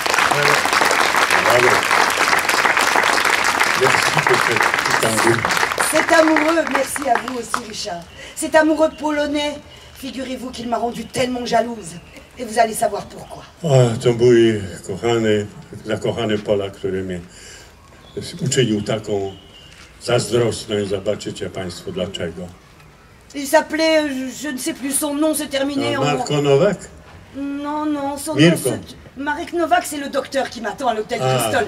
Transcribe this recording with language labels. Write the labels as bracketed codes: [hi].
[fr] Bravo. Merci pour cette interview. Cet amoureux, merci à vous aussi, Richard. Cet amoureux polonais, figurez-vous qu'il m'a rendue tellement jalouse. Et vous allez savoir pourquoi. [pl] Ah, to był kochany, zakochany Polak, który mnie uczynił taką zazdrosną. Zobaczycie państwo dlaczego. [fr] Il s'appelait, je ne sais plus, son nom se terminait en... Marko Nowak? Non, son Mirko. Nom se... Marek Nowak, c'est le docteur qui m'attend à l'hôtel Crystal.